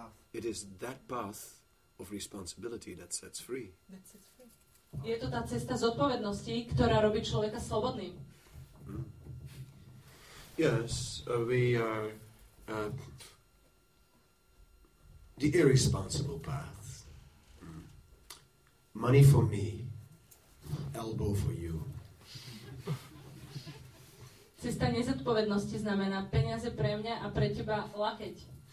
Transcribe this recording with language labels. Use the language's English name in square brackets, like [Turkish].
[English] It is that path of responsibility that sets free. [Slovak] Je to tá cesta zodpovednosti, ktorá robí človeka slobodným. [English] Yes, we are the irresponsible path. Money for me, elbow for you. [Slovak] Cesta nezodpovednosti znamená peniaze pre mňa a pre teba lakeť.